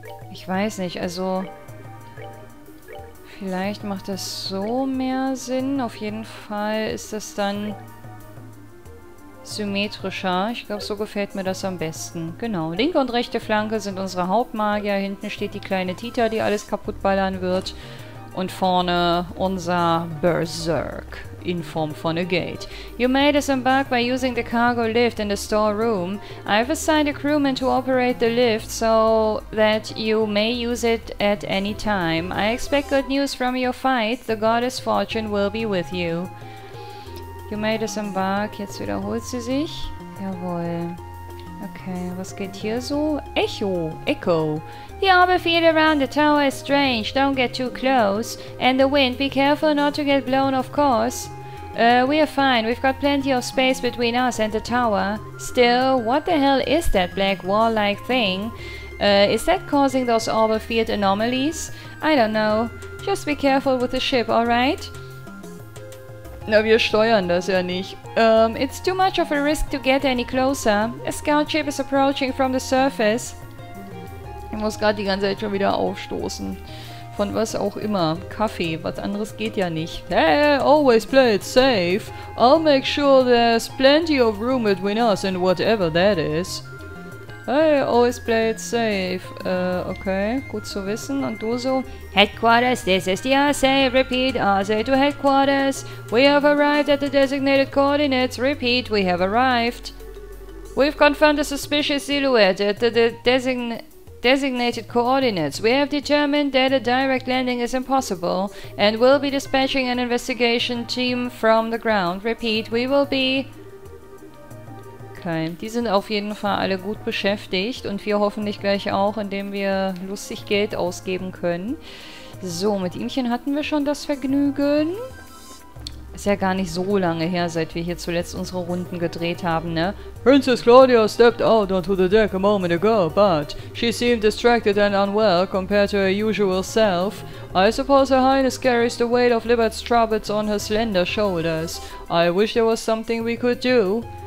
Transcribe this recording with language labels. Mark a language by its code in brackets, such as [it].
[de] Ich weiß nicht, also... Vielleicht macht das so mehr Sinn. Auf jeden Fall ist das dann... symmetrischer. Ich glaube, so gefällt mir das am besten. Genau. Linke und rechte Flanke sind unsere Hauptmagier. Hinten steht die kleine Tita, die alles kaputtballern wird. Und vorne unser Berserk in Form von a gate. [en] You made this embark by using the cargo lift in the storeroom. I've assigned a crewman to operate the lift so that you may use it at any time. I expect good news from your fight. The goddess Fortune will be with you. You made us embark. [de] Jetzt wiederholt sie sich. Jawohl. Okay, was geht hier so? Echo. Echo. [en] The orbit field around the tower is strange. Don't get too close. And the wind. Be careful not to get blown, of course. We are fine. We've got plenty of space between us and the tower. Still, what the hell is that black wall-like thing? Is that causing those orbit field anomalies? I don't know. Just be careful with the ship, alright? [de] Na, wir steuern das ja nicht. [en] It's too much of a risk to get any closer. A scout ship is approaching from the surface. [de] Ich muss gerade die ganze Zeit schon wieder aufstoßen. Von was auch immer. Kaffee, was anderes geht ja nicht. [en] Hey, always play it safe. I'll make sure there's plenty of room between us and whatever that is. Hey, always play it safe. [de] Okay, gut zu wissen. Und du so? [en] Headquarters, this is the RSA. Repeat, RSA to headquarters. We have arrived at the designated coordinates. Repeat, we have arrived. We've confirmed a suspicious silhouette at the designated coordinates. We have determined that a direct landing is impossible and will be dispatching an investigation team from the ground. Repeat, we will be... [de] Die sind auf jeden Fall alle gut beschäftigt und wir hoffentlich gleich auch, indem wir lustig Geld ausgeben können. So, mit ihmchen hatten wir schon das Vergnügen. Ist ja gar nicht so lange her, seit wir hier zuletzt unsere Runden gedreht haben, ne? [en] Princess Claudia stepped out onto the deck a moment ago, but she seemed distracted and unwell compared to her usual self. I suppose her highness carries the weight of Libert's troubles on her slender shoulders. I wish there was something we could do.